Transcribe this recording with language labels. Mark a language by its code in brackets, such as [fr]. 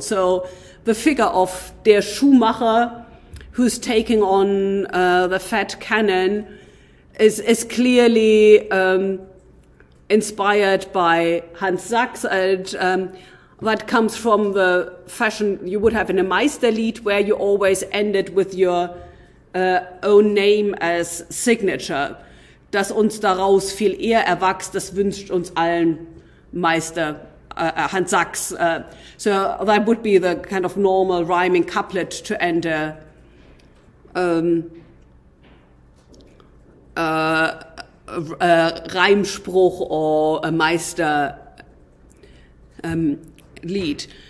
[en] So the figure of der Schuhmacher, who's taking on the fat cannon, is clearly inspired by Hans Sachs, and that comes from the fashion you would have in a Meisterlied, where you always ended with your own name as signature. [de] Dass uns daraus viel Ehr erwachs, das wünscht uns allen Meister Hans Sachs. [en] So that would be the kind of normal rhyming couplet to end a Reimspruch or a Meister Lied.